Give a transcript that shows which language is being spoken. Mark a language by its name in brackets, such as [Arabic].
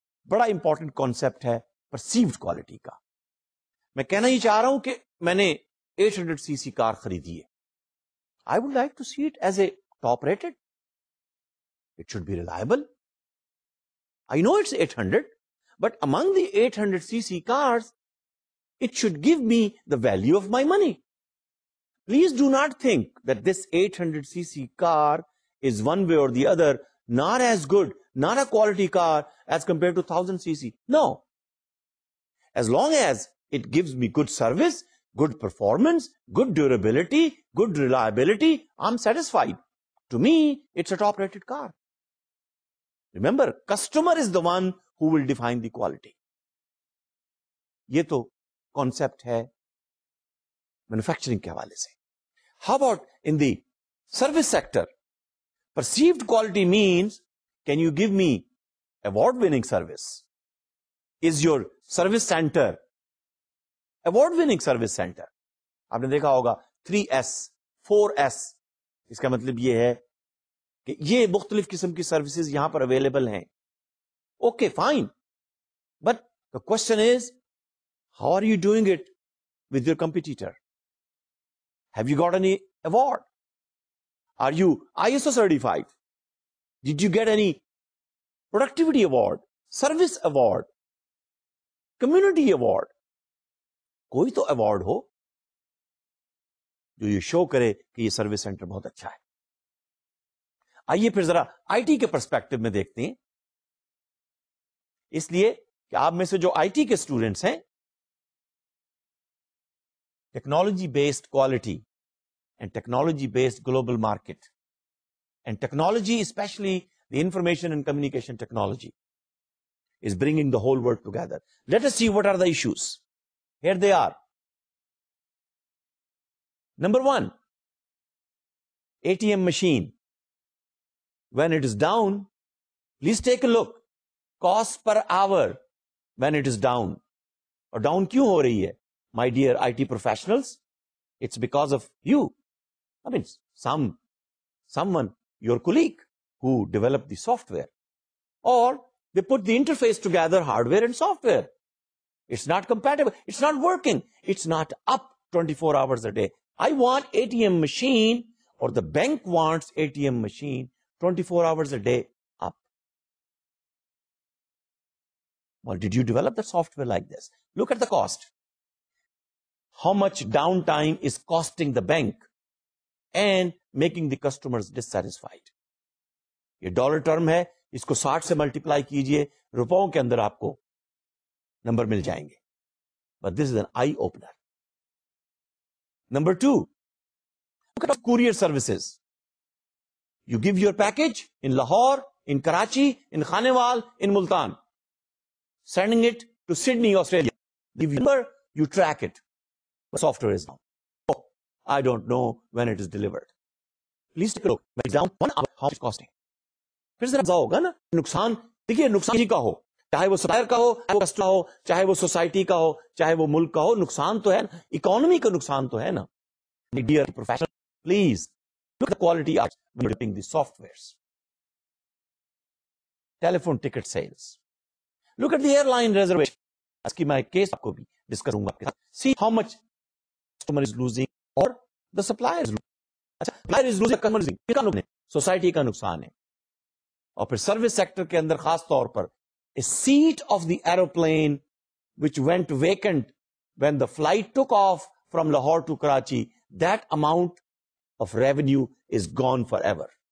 [Urdu] بڑا important concept ہے perceived quality کا. میں کہنا یہ چاہ رہا ہوں کہ میں نے 800 cc کار خریدی ہے، [English] I would like to see it as a top rated, it should be reliable. I know it's 800، but among the 800 cc cars it should give me the value of my money. Please do not think that this 800 cc car is one way or the other not as good, not a quality car as compare to 1000 cc. No, as long as it gives me good service, good performance, good durability, good reliability, I'm satisfied. To me, it's a top-rated car. Remember, customer is the one who will define the quality. [Urdu] Yeh toh concept hai manufacturing ke hawale se. [English] How about in the service sector? Perceived quality means, can you give me award-winning service? Is your service center Award winning service center. [Urdu] آپ نے دیکھا ہوگا 3S 4S، اس کا مطلب یہ ہے کہ یہ مختلف قسم کی سروسز یہاں پر اویلیبل ہیں. [English] Okay fine, but the question is how are you doing it with your competitor? Have you got any award? Are you ISO certified؟ Did you get any productivity award, service award, community award? [Urdu] کوئی تو award ہو جو یہ شو کرے کہ یہ service centre بہت اچھا ہے. آئیے پھر ذرا آئی ٹی کے پرسپیکٹو میں دیکھتے ہیں. اس لیے کہ آپ میں سے جو آئی ٹی کے اسٹوڈینٹس ہیں, [English] Technology based quality and technology based global market and technology especially the information and communication technology is bringing the whole world together. Let us see what are the issues. Here they are. Number one, A T M machine when it is down, please take a look, cost per hour when it is down. [Urdu] اور down کیوں ہو رہی ہے [English] My dear I T professionals? It's because of you, I mean someone your colleague who develop the software, or they put the interface together hardware and software. It's not compatible, it's not working, it's not up 24 hours a day. I want A T M machine, اور the bank wants A T M machine 24 hours a day up. Well, did you develop the software like this? Look at the cost. How much downtime is costing the bank and making the customers dissatisfied? [Urdu] یہ dollar term ہے, اس کو 60 سے multi پلائی کیجیے, روپوں کے اندر آپ کو number مل جائیں گے. [English] But this is an eye opener. Number two, courier services. You give your package in Lahore, in Karachi, in Khanewal, in Multan. Sending it to Sydney, Australia. Give you number, you track it. The software is down. Oh, I don't know when it is delivered. Please take a look. When it's down, 1 hour, how much is costing? [Urdu] پھر ذرا ہوگا نا نقصان. دیکھیے نقصان ہی کا ہو, چاہے وہ سپلائر کا ہو, چاہے وہ کسٹمر ہو, چاہے وہ سوسائٹی کا ہو, چاہے وہ ملک کا ہو, نقصان تو ہے نا, اکانومی کا نقصان تو ہے نا. [English] Dear professional, please look the quality of developing the software. Telephone ticket sales, look at the airline reservation. [Urdu] اس کی میں کیس آپ کو بھی ڈسکس کروں گا آپ کے ساتھ. [English] See how much customer is losing اور the supplier is losing. [Urdu] اچھا [English] supplier is losing, [Urdu] سوسائٹی کا نقصان ہے. اور پھر سروس سیکٹر کے اندر خاص طور پر [English] A seat of the aeroplane which went vacant when the flight took off from Lahore to Karachi, that amount of revenue is gone for ever.